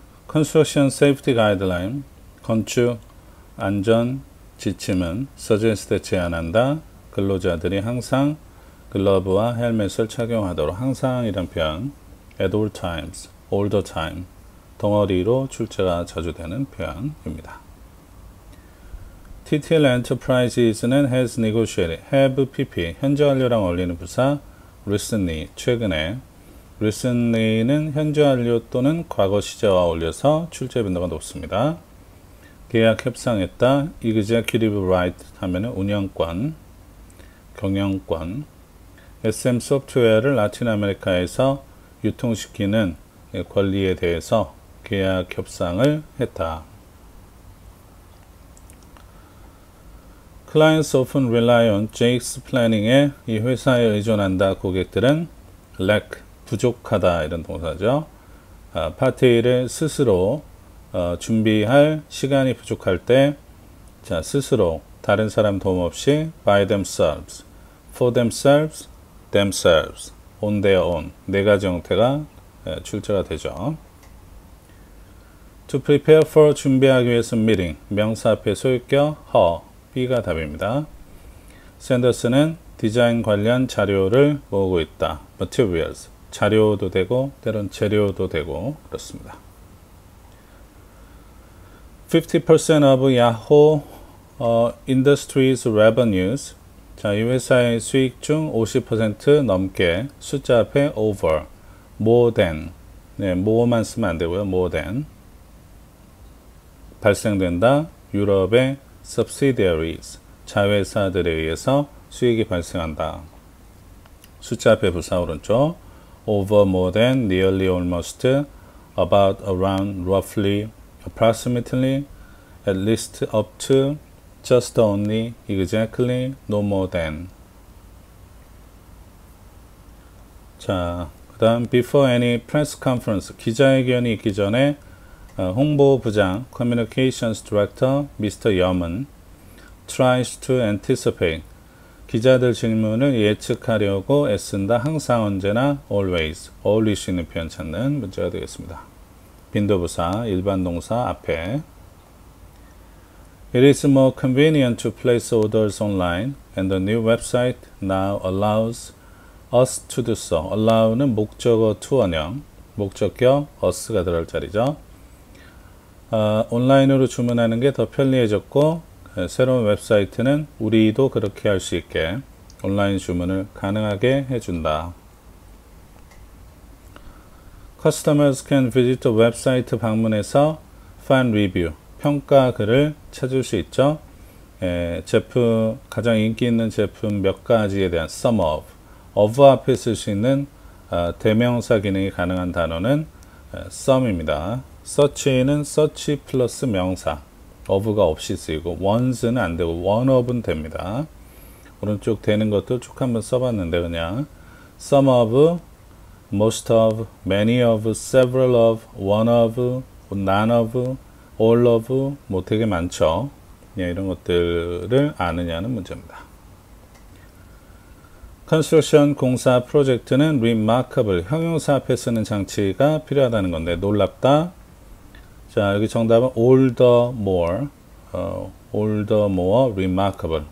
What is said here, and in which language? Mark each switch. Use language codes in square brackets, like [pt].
[en] Construction Safety Guideline, [ko] 건축 안전 지침은 suggest 제안한다. 근로자들이 항상 글러브와 헬멧을 착용하도록 항상 이런 표현. [en] At all times, all the time. [ko] 덩어리로 출제가 자주 되는 표현입니다. TTL Enterprises는 [en] has negotiated, [ko] have PP, 현재 완료랑 어울리는 부사, recently, 최근에. recently는 현재 완료 또는 과거 시제와 어울려서 출제 빈도가 높습니다. 계약 협상했다, executive right 하면 운영권, 경영권. SM 소프트웨어를 라틴 아메리카에서 유통시키는 권리에 대해서 계약 협상을 했다. [en] Clients often rely on Jake's planning에 [ko] 이 회사에 의존한다. 고객들은 lack, 부족하다. 이런 동사죠. 파티를 스스로 준비할 시간이 부족할 때, 자, 스스로 다른 사람 도움 없이 [en] by themselves, for themselves, themselves, on their own. [ko] 네 가지 형태가 출제가 되죠. [en] To prepare for [ko] 준비하기 위해서 [en] meeting. [ko] 명사 앞에 소유격 her. B가 답입니다. 샌더스는 디자인 관련 자료를 모으고 있다. [en] Materials. [ko] 자료도 되고, 때론 재료도 되고, 그렇습니다. [en] 50% of Yahoo, Industries Revenues. [ko] 자, 이 회사의 수익 중50% 넘게 숫자 앞에 over. [en] More than. [ko] 네, more만 쓰면 안 되고요. [en] More than. [ko] 발생된다. 유럽의 subsidiaries, 자회사들에 의해서 수익이 발생한다. 숫자 앞에 부사 오른쪽. [en] over, more than, nearly, almost, about, around, roughly, approximately, at least, up to, just only, exactly, no more than. [ko] 자, 그다음 [en] before any press conference, [ko] 기자회견이 있기 전에 홍보 부장, [en] communications director, [ko] Mr. [en] Yeoman tries to anticipate. [ko] 기자들 질문을 예측하려고 애쓴다. 항상 언제나 always. 어울릴 수 있는 표현 찾는 문제가 되겠습니다. 빈도부사 일반 동사 앞에. [en] It is more convenient to place orders online and the new website now allows us to do so. [ko] allow는 목적어 투원형. 목적격 us가 들어갈 자리죠. 온라인으로 주문하는 게더 편리해졌고 새로운 웹사이트는 우리도 그렇게 할수 있게 온라인 주문을 가능하게 해준다. [en] Customers can visit the website [ko] 방문해서 [en] fan review, [ko] 평가 글을 찾을 수 있죠. 제품, 가장 인기 있는 제품 몇 가지에 대한 sum of 앞에 쓸수 있는 대명사 기능이 가능한 단어는 sum입니다. search는 search 플러스 명사. of가 없이 쓰이고, once는 안 되고, one of은 됩니다. 오른쪽 되는 것도 쭉 한번 써봤는데, 그냥. [en] some of, most of, many of, several of, one of, none of, all of, 뭐 되게 많죠. [ko] 그냥 이런 것들을 아느냐는 문제입니다. Construction 공사 프로젝트는 remarkable, 형용사 앞에 쓰는 장치가 필요하다는 건데, 놀랍다. 자, 여기 정답은 all the more. [en] All the more remarkable.